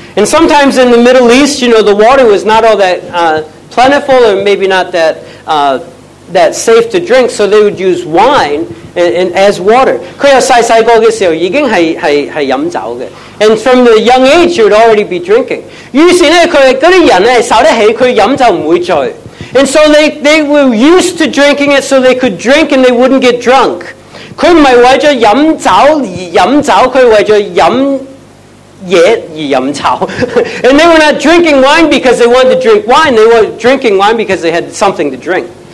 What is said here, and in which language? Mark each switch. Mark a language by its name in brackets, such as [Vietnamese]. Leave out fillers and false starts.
[English] And sometimes in the Middle East, you know, the water was not all that plentiful or maybe not that that safe to drink, so they would use wine and as water. [Cantonese] 佢又細細個嘅時候已經係飲酒嘅。 [English] And from the young age, you would already be drinking. [Cantonese] 於是咧，佢嗰啲人咧受得起，佢飲酒唔會醉。 [English] And so they were used to drinking it, so they could drink and they wouldn't get drunk. [Cantonese] 佢唔係為咗飲酒而飲酒，佢為咗飲嘢而飲酒。 [English] And they were not drinking wine because they wanted to drink wine. They were drinking wine because they had something to drink.